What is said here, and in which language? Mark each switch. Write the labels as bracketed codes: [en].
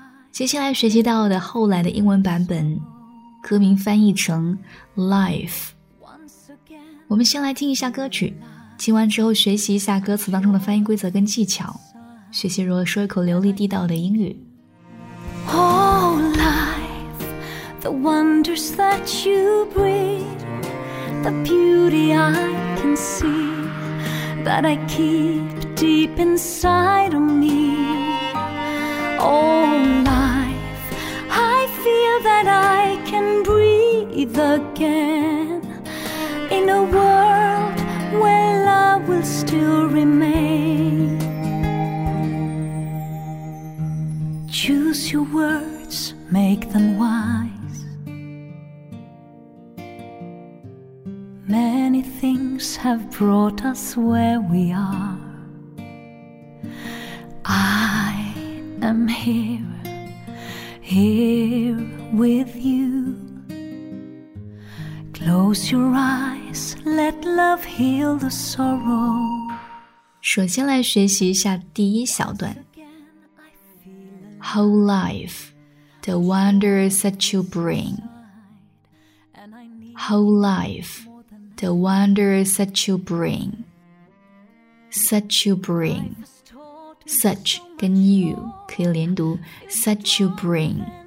[zh] 接下来学习到的后来的英文版本，歌名翻译成 Life。我们先来听一下歌曲，听完之后学习一下歌词当中的发音规则跟技巧，学习如何说一口流利地道的英语。 [en] Oh life, the wonders that you breathe, the beauty I can see, that I keep deep inside of me. Oh life, I feel that I can breathe again in a world where love will still remain. Choose your words, make them wise. Many things have brought us where we are. I am here. Here with you. Close your eyes, let love heal the sorrow. [zh] 首先来学习一下第一小段。 [en] Whole life, the wonders that you bring. Whole life, the wonders that you bring. Such you bring. Such. [zh] 跟 [en] you [zh] 可以连读 [en] such you bring.